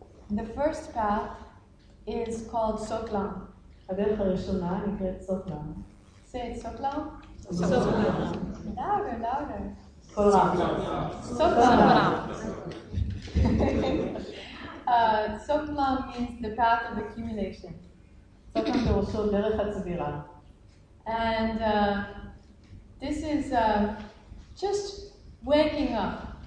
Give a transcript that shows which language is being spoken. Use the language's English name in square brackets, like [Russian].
[English] The first path is called Soklam. [Hebrew] הדרך הראשונה נקראת Soklam. [English] Say it, Soklam. [Tibetan] Soklam. [English] Louder, louder. [Tibetan] Soklam. Soklam. [English] Soklam means the path of accumulation. [Hebrew] Soklam פירושו דרך הצבירה. [English] And this is just waking up.